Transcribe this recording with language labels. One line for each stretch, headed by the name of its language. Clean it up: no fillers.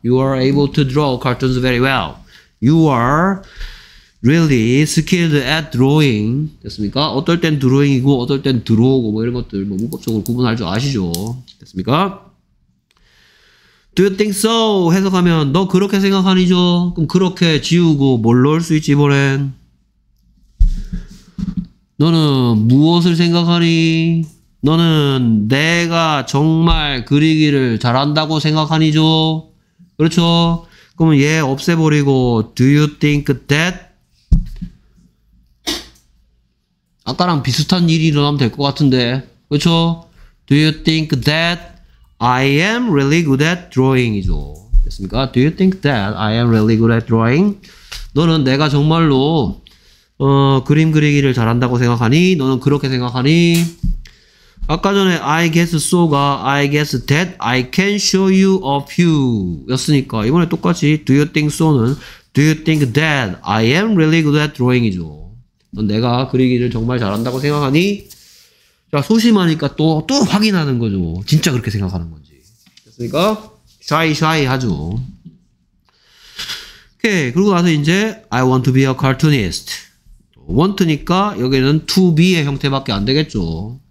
English: You are able to draw cartoons very well. You are really skilled at drawing.
Korean: 됐습니까? 어떨 땐 드로잉이고 어떨 땐 드로우고 뭐 이런 것들 뭐 문법적으로 구분할 줄 아시죠? 됐습니까?
English: Do you think so?
Korean: 해석하면 너 그렇게 생각하니죠? 그럼 그렇게 지우고 뭘 넣을 수 있지 이번엔? 너는 무엇을 생각하니? 너는 내가 정말 그리기를 잘한다고 생각하니죠? 그렇죠? 그러면 얘 없애버리고
English: Do you think that?
Korean: 아까랑 비슷한 일이 일어나면 될 것 같은데 그렇죠?
English: Do you think that I am really good at drawing이죠?
Korean: 됐습니까?
English: Do you think that I am really good at drawing?
Korean: 너는 내가 정말로 그림 그리기를 잘한다고 생각하니? 너는 그렇게 생각하니? 아까 전에
English: I guess so가 I guess that I can show you a few
Korean: 였으니까 이번에 똑같이
English: Do you think so는 Do you think that I am really good at drawing이죠.
Korean: 넌 내가 그리기를 정말 잘한다고 생각하니? 자 소심하니까 또 확인하는 거죠. 진짜 그렇게 생각하는 건지. 됐습니까? 샤이샤이 하죠. 오케이. 그리고 나서 이제
English: I want to be a cartoonist.
Korean: want니까 여기는 to be의 형태밖에 안 되겠죠.